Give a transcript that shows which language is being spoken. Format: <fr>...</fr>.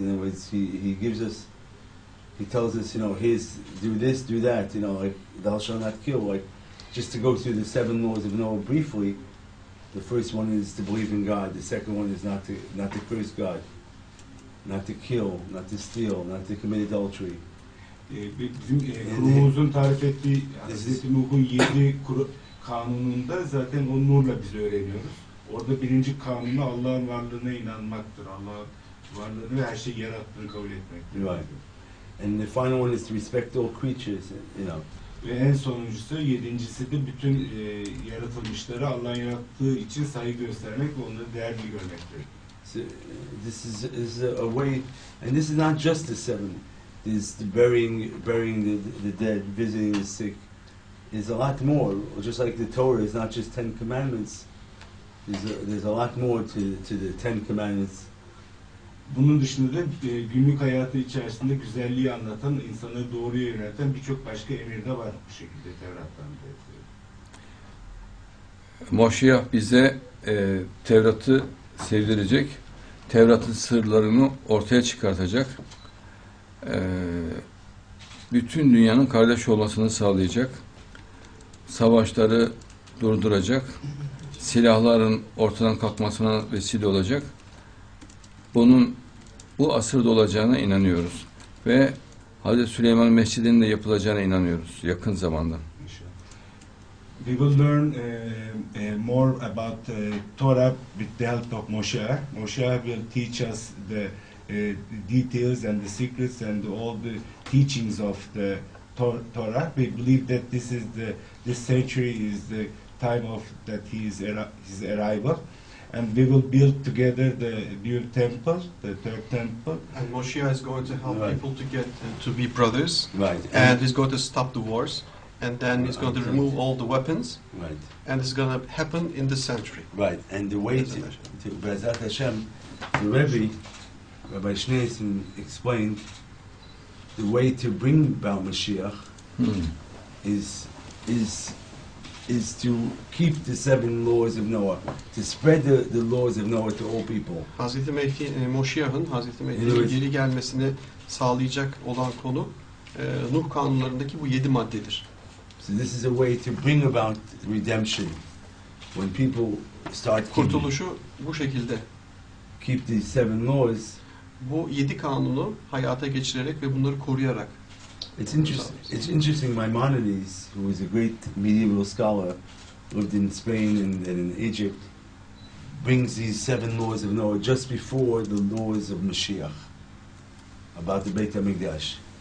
<en>In other words, he gives us, he tells us, you know, here's, do this, do that, you know, like, thou shalt not kill. Like, just to go through the seven laws of Noah briefly, the first one is to believe in God, the second one is not to curse God, not to kill, not to steal, not to commit adultery.</en> <tr>Bizim kurumumuzun tarif ettiği Hazreti Nuh'un 7 kanununda zaten o nurla biz öğreniyoruz. Orada birinci kanunu Allah'ın varlığına inanmaktır. Allah varlığını ve her şeyi yarattığını kabul etmektir.</tr> <en>Right. And the final one is to respect all creatures, you know.</en> <tr>Ve en sonuncusu, yedincisi de bütün yaratılmışları Allah'ın yarattığı için saygı göstermek ve onları değerli görmektir.</tr> <en>So, this is a way, and this is not just the seven. Is the burying the dead, visiting the sick, is a lot more. Just like the Torah is not just 10 commandments, there's a lot more to the 10 commandments.</en> <tr>Bunun dışında da günlük hayatı içerisinde güzelliği anlatan, insanı doğruya yöneten birçok başka emir de var bu şekilde Tevrat'tan. Moşiyah bize Tevrat'ı sevdirecek, Tevrat'ın sırlarını ortaya çıkartacak. Bütün dünyanın kardeş olmasını sağlayacak, savaşları durduracak, silahların ortadan kalkmasına vesile olacak. Bunun bu asırda olacağına inanıyoruz ve Hazreti Süleyman Mescidi'nin de yapılacağına inanıyoruz yakın zamanda.</tr> <en>We will learn more about Torah with the help of Moshe. Moshe will teach us the details and the secrets and all the teachings of the Torah. We believe that this century is the time of that his arrival, and we will build together the new temple, the third temple. And Moshe is going to help right. people to get to be brothers. Right. And he's going to stop the wars, and then he's going to remove all the weapons. Right. And it's going to happen in this century. Right. And the way to</en> <he>Be'ezrat Hashem,</he> <en>the Rebbe. Rabbi Schneerson explained the way to bring about Mashiach is is to keep the seven laws of Noah, to spread the laws of Noah to all people.</en> <tr>Hazreti Moşiyah'ın Hazreti Mehdi'nin geri gelmesini sağlayacak olan konu Nuh kanunlarındaki bu 7 maddedir.</tr> <en>So this is a way to bring about redemption when people start</en> <tr>kurtuluşu bu şekilde.</tr> <en>Keep the seven laws.</en> <tr>Bu 7 kanunu hayata geçirerek ve bunları koruyarak.</tr> <en>It's interesting. Maimonides, who is a great medieval scholar, lived in Spain and in Egypt, brings these seven laws of Noah just before the laws of Mashiach about the Beit HaMikdash.</en>